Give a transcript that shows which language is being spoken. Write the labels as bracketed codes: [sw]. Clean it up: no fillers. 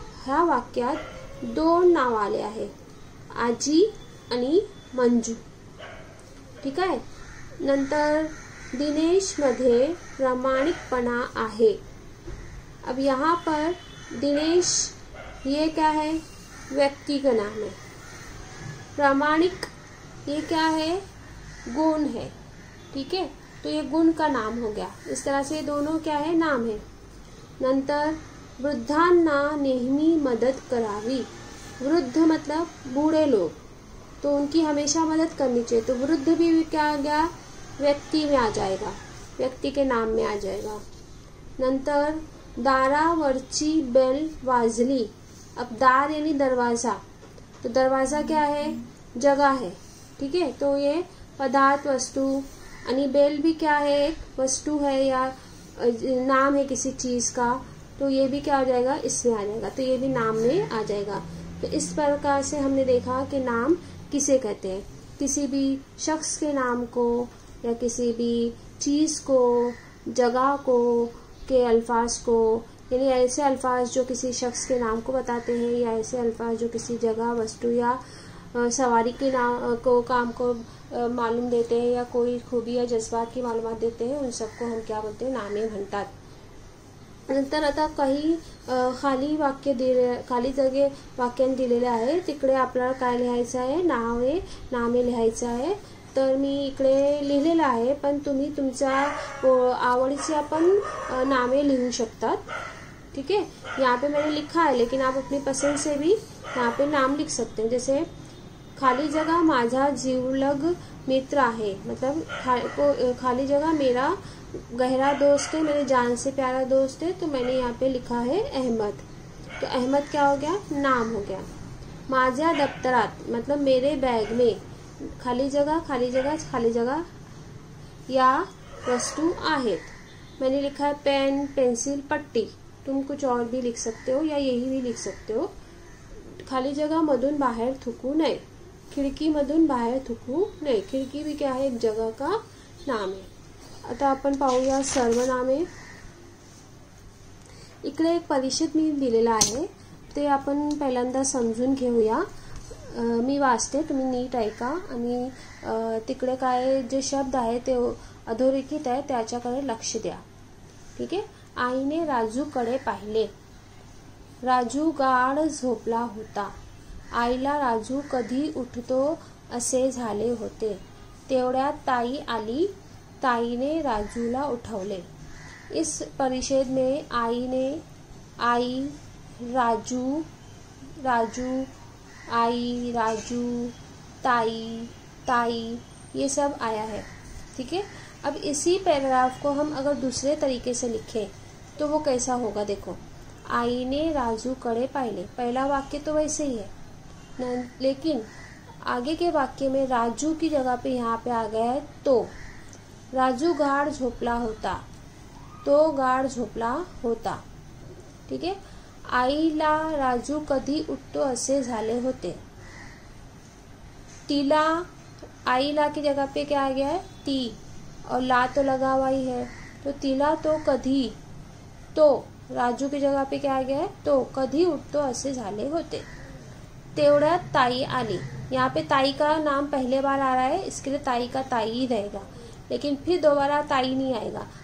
[mr] ह्या वाक्यात दोन नाव आले आहे, आजी आणि मंजू, ठीक आहे. नंतर दिनेश मध्ये प्रामाणिकपणा आहे. [hi] अब यहाँ पर दिनेश ये क्या है? व्यक्ति का नाम है. प्रामाणिक ये क्या है? गुण है, ठीक है. तो ये गुण का नाम हो गया. इस तरह से दोनों क्या है? नाम है. [mr] नंतर वृद्धांना नेहमी मदद करावी. [hi] वृद्ध मतलब बूढ़े लोग, तो उनकी हमेशा मदद करनी चाहिए. तो वृद्ध भी क्या आ गया? व्यक्ति में आ जाएगा, व्यक्ति के नाम में आ जाएगा. [mr] नंतर दारावरची बेल वाजली. [hi] अब दार यानी दरवाज़ा, तो दरवाज़ा क्या है? जगह है, ठीक है. तो ये पदार्थ, वस्तु, यानी बेल भी क्या है? एक वस्तु है या नाम है किसी चीज़ का. तो ये भी क्या हो जाएगा? इसमें आ जाएगा. तो ये भी नाम में आ जाएगा. तो इस प्रकार से हमने देखा कि नाम किसे कहते हैं. किसी भी शख्स के नाम को या किसी भी चीज़ को, जगह को, के अल्फाज को, यानी ऐसे अल्फाज जो किसी शख्स के नाम को बताते हैं या ऐसे अल्फाज जो किसी जगह, वस्तु या सवारी के नाम को, काम को मालूम देते हैं या कोई खूबी या जज्बात की मालूम देते हैं, उन सबको हम क्या बोलते हैं? [mr] नामे भंतात. नंतर आता काही खाली वाक्य दिले, खाली जगह वाक्य दिलेले आहे, तिकडे आपल्याला काय लिहायचं आहे? नावे, नामे लिहायचं आहे. तर मी इकडे लिहिलेलं आहे, पण तुम्ही तुमच्या आवडीचे आपण नामे लिहू शकतात, ठीक आहे. [hi] यहाँ पे मैंने लिखा है, लेकिन आप अपनी पसंद से भी यहाँ पे नाम लिख सकते हैं. जैसे खाली जगह [mr] माझा जीवलग मित्र आहे, [hi] मतलब खाली जगह मेरा गहरा दोस्त है, मेरे जान से प्यारा दोस्त है. तो मैंने यहाँ पे लिखा है अहमद. तो अहमद क्या हो गया? नाम हो गया. [mr] माझ्या दफ्तरात [hi] मतलब मेरे बैग में, [mr] खाली जगह, खाली जगह, खाली जगह या वस्तु आहेत. [hi] मैंने लिखा है पेन, पेंसिल, पट्टी. तुम कुछ और भी लिख सकते हो या यही भी लिख सकते हो. [mr] खाली जगह मधून बाहेर थुकू नये. [hi] खिड़की मधुन बाहर थुकू, नहीं खिड़की भी क्या है एक जगह का नाम है। [mr] अतः अपन पाऊया सर्वनामे। इकड़े एक परिषद मी दिलेला आहे ते आपण पहिल्यांदा समजून घेऊया। मी वाचते तुम्ही नीट ऐका आणि तिकडे काय जे शब्द आहे ते अधोरेखित आहे त्याच्याकडे लक्ष द्या, ठीक आहे। आईने राजूकडे पाहिले, राजू गाढ झोपला होता, आईला राजू कधी उठतो असे झाले होते। तेवढ्यात ताई आली, ताईने राजूला उठवले। [hi] इस परिषद में आई राजू, राजू आई, राजू ताई, ताई ये सब आया है, ठीक है। अब इसी पैराग्राफ को हम अगर दूसरे तरीके से लिखें तो वो कैसा होगा, देखो। [mr] आई ने राजू कड़े पाले, [hi] पहला वाक्य तो वैसे ही है ना, लेकिन आगे के वाक्य में राजू की जगह पे यहाँ पे आ गया है। [mr] तो राजू गाढ़ झोपला होता, तो गाढ़ झोपला होता, ठीक है। आईला राजू कधी उठतो असे झाले होते। [hi] तीला, आईला की जगह पे क्या आ गया है ती, और ला तो लगा हुआ ही है, तो तीला तो कधी, तो राजू की जगह पे क्या आ गया है तो, कधी उठतो असे झाले होते। [mr] तेवढ्यात ताई आली, [hi] यहाँ पे ताई का नाम पहले बार आ रहा है इसके लिए ताई का ताई रहेगा, लेकिन फिर दोबारा ताई नहीं आएगा।